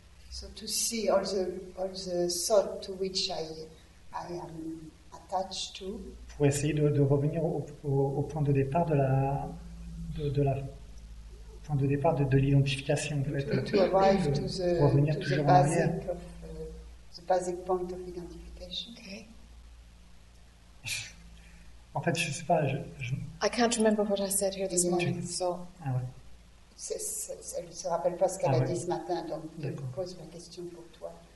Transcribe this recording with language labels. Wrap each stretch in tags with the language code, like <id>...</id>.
<en>So to see all the thoughts to which I am attached to.</en> <fr>Pour essayer de revenir au point de départ de l'identification.</fr> <en>To arrive to the,</en> <fr>revenir</fr> <en>to</en> <fr>toujours</fr> <en>the basic</en> <fr>en arrière.</fr> <en>The basic point of identification. Okay.</en> <fr>En fait, je ne sais pas.</fr> <en>I can't remember what I said here this morning. So.</en> <fr>Ah ouais. Elle ne se rappelle pas ce qu'elle a dit ce matin, donc je pose ma question pour toi.</fr>